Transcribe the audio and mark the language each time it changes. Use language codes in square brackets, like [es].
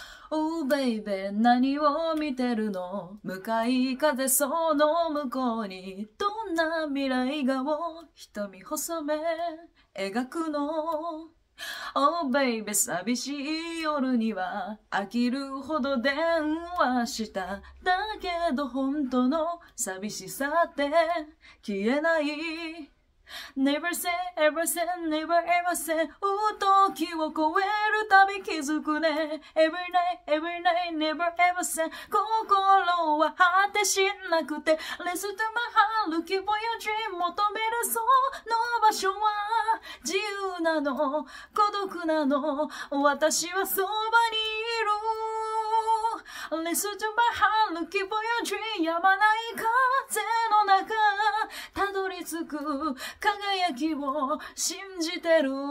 [en] Oh baby, [ja] 何を見てるの？向かい風その向こうに、どんな未来画を瞳細め描くの？ [en] Oh baby, [ja] 寂しい夜には飽きるほど電話した。だけど本当の寂しさって消えない。 [en] Never say, ever say, never ever say. [ja] 時を超えるたび気づくね。 [en] Every night, every night, never ever say. [ja] 心は果てしなくて。 [en] Listen to my heart, looking for your dream. [ja] 求めるその場所は自由なの、孤独なの。私はそばにいる。 [en] Listen to my heart, looking for your dream. [ja] 止まない風の中、たどり着く輝きを信じてる。